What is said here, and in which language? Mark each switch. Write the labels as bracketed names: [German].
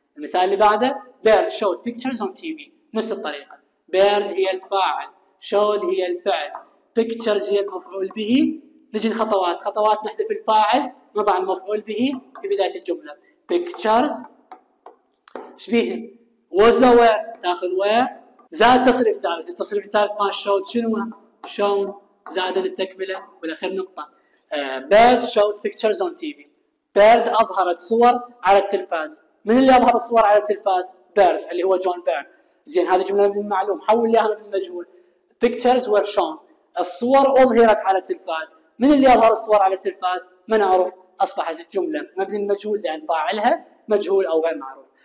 [Arabic] المثال اللي بعده بيرد [English] showed pictures on TV، [Arabic] نفس الطريقة، بيرد هي الفاعل، showed هي الفعل، pictures هي المفعول به. نجي الخطوات، خطوات نحذف الفاعل، نضع المفعول به في بداية الجملة. Pictures شبيه was the where، تأخذ where، زاد تصريف ثالث، التصريف الثالث ما showed، شنو shown، زاد للتكملة. والأخير نقطة [English] bird showed pictures on TV. [Arabic] bird أظهرت صور على التلفاز. من اللي أظهر الصور على التلفاز؟ bird اللي هو جون bird. زين هذه جملة من المعلوم، حول لها من المجهول. [English] Pictures were shown، [Arabic] الصور أظهرت على التلفاز. من اللي أظهر الصور على التلفاز؟ ما نعرف، أصبحت الجملة مبني المجهول لأن فاعلها مجهول أو غير معروف.